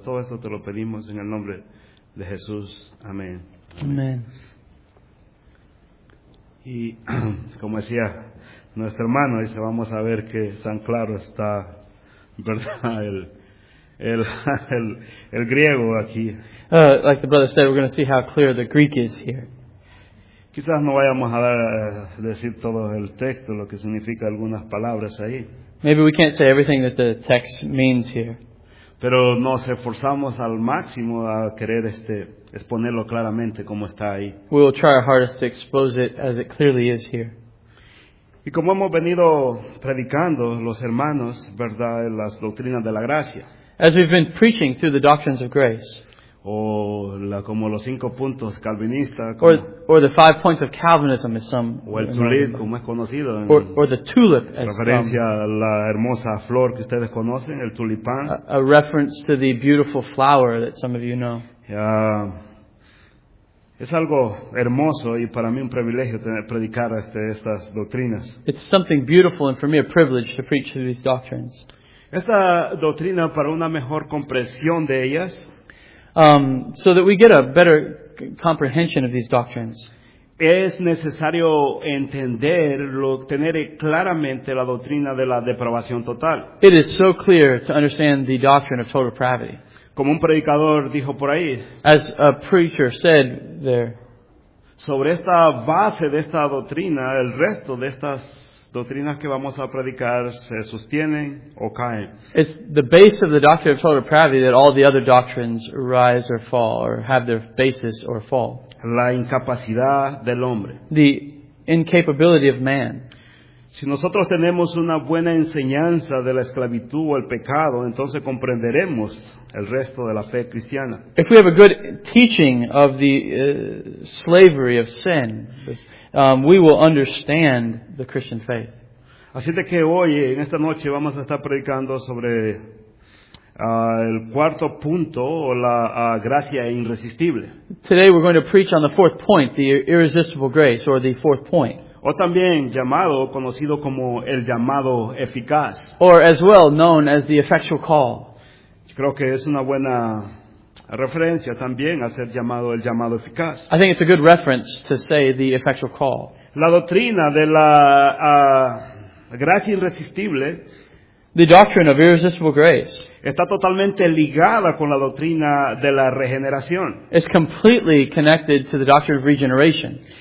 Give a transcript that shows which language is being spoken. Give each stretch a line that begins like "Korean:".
Spanish: Todo esto te lo pedimos en el nombre de Jesús. Amén. Amén. Y como decía nuestro hermano, dice, vamos a ver qué tan claro está, ¿verdad?, el griego aquí.
English: Like the brother said, we're going to see how clear the Greek is here.
Spanish: Quizás no vayamos a decir todo el texto, lo que significa algunas palabras ahí.
English: Maybe we can't say everything that the text means here.
Spanish: Pero nos esforzamos al máximo a querer exponerlo claramente como está ahí.
English: We will try our hardest to expose it as it clearly is here.
Spanish: Y como hemos venido predicando los hermanos, ¿verdad?, las doctrinas de la gracia.
English: As we've been preaching through the doctrines of grace.
Spanish: Como los cinco puntos calvinistas,
English: or the five points of Calvinism, as some.
Spanish: O el tulip, como es conocido.
English: Or the tulip, as some.
Spanish: Referencia a la hermosa flor que ustedes conocen, el tulipán.
English: A reference to the beautiful flower that some of you know.
Spanish: Es algo hermoso y para mí un privilegio predicar estas doctrinas.
English: It's something beautiful and for me a privilege to preach through these doctrines.
Spanish: Esta doctrina, para una mejor comprensión de ellas.
English: So that we get a better comprehension of these doctrines.
Spanish: Es necesario tener claramente la doctrina de la depravación total.
English: It is so clear to understand the doctrine of total depravity.
Spanish: Como un predicador dijo por ahí.
English: As a preacher said there.
Spanish: Sobre esta base de esta doctrina, el resto de estas doctrinas que vamos a predicar se sostienen o caen.
English: It's the base of the doctrine of total depravity that all the other doctrines rise or fall, or have their basis or fall.
Spanish: La incapacidad del hombre.
English: The incapability of man.
Spanish: Si nosotros tenemos una buena enseñanza de la esclavitud o el pecado, entonces comprenderemos el resto de la fe cristiana.
English: If we have a good teaching of the slavery of sin, we will understand the Christian faith.
Spanish: Así de que hoy, en esta noche, vamos a estar predicando sobre el cuarto punto, o la gracia irresistible.
English: Today we're going to preach on the fourth point, the irresistible grace, or the fourth point.
Spanish: O también llamado, conocido como el llamado eficaz.
English: Or as well known as the effectual call.
Spanish: Creo que es una buena referencia también a ser llamado el llamado eficaz.
English: I think it's a good reference to say the effectual call.
Spanish: La doctrina de la gracia irresistible.
English: The doctrine of irresistible grace.
Spanish: Está totalmente ligada con la doctrina de la regeneración.
English: It's completely connected to the doctrine of regeneration.